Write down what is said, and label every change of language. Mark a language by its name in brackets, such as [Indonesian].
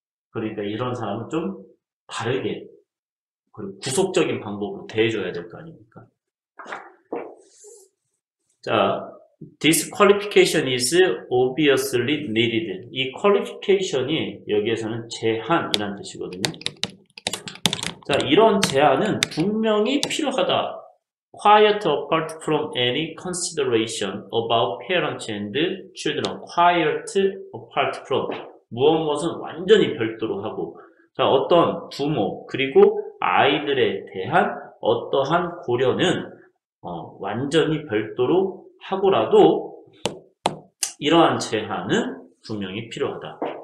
[Korean] 그러니까 이런 사람은 좀 다르게 그리고 구속적인 방법으로 대해줘야 될거 아닙니까? [English] 자, disqualification is obviously needed. [Korean] 이 qualification이 여기에서는 제한이란 뜻이거든요. 자, 이런 제한은 분명히 필요하다. [English] Quite apart from any consideration about parents and children. Quite apart from. [Korean] 무엇은 완전히 별도로 하고. 자, 어떤 부모, 그리고 아이들에 대한 어떠한 고려는 완전히 별도로 하고라도 이러한 제한은 분명히 필요하다.